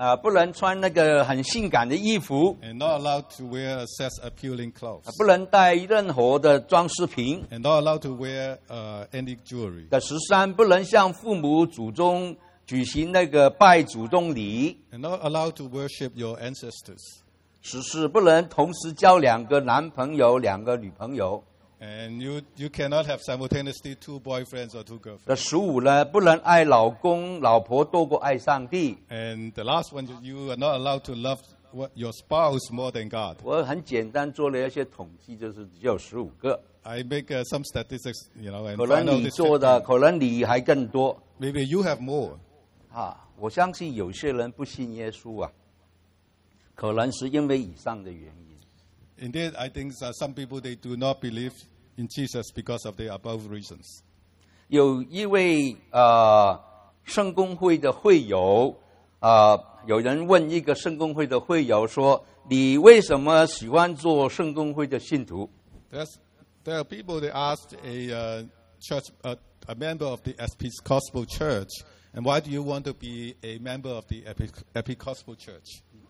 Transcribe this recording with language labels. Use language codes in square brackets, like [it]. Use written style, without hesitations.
[zh] 不能穿那个很性感的衣服。 [en] And not allowed to wear sex appealing clothes. [zh] 不能带任何的装饰品。 [en] And not allowed to wear any jewelry. [zh] 十三，不能向父母祖宗举行那个拜祖宗礼。 [en] And not allowed to worship your ancestors. [zh] 十四，不能同时交两个男朋友、两个女朋友。 [en] And you cannot have simultaneously two boyfriends or two girlfriends. [zh] 15呢, 不能爱老公, 老婆多过爱上帝。 [en] And the last one, you are not allowed to love your spouse more than God. [zh] 我很简单做了一些统计，就是只有十五个。 [en] I make some statistics, you know, and [zh] 可能你做的, [en] find out [zh] 可能你还更多。 [en] Maybe you have more. [zh] 啊, 我相信有些人不信耶稣啊, 可能是因为以上的原因。 [en] Indeed, I think some people they do not believe in Jesus because of the above reasons. [zh] 有一位, 圣公会的会友, 有人问一个圣公会的会友说, 你为什么喜欢做圣公会的信徒? [en] There are people they asked a member of the Episcopal Church, and why do you want to be a member of the Episcopal Church?